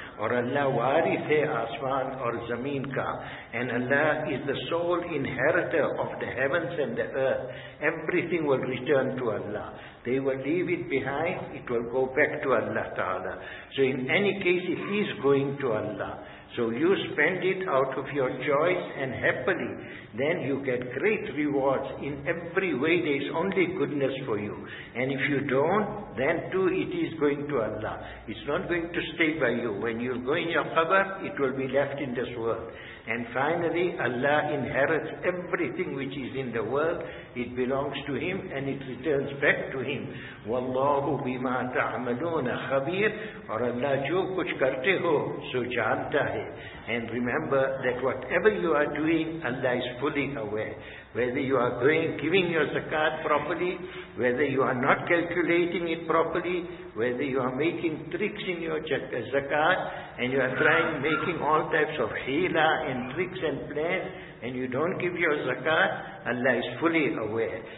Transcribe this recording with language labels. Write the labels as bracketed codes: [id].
[ur] اور اللہ وارث ہے آسمان اور زمین کا. [en] And Allah is the sole inheritor of the heavens and the earth. Everything will return to Allah. They will leave it behind, it will go back to Allah Ta'ala. So in any case, it is going to Allah. So you spend it out of your choice and happily, then you get great rewards in every way. There is only goodness for you. And if you don't, then too it is going to Allah. It's not going to stay by you. When you go in your qabr, it will be left in this world. And finally, Allah inherits everything which is in the world. It belongs to Him and it returns back to Him. [ar] وَاللَّهُ بِمَا تَعْمَلُونَ خَبِيرٌ. [ur] اور اللہ جو کچھ کرتے ہو سو جانتا ہے. [en] And remember that whatever you are doing, Allah is fully aware. Whether you are giving your zakat properly, whether you are not calculating it properly, whether you are making tricks in your zakat, and you are trying making all types of hila and tricks and plans, and you don't give your zakat, Allah is fully aware.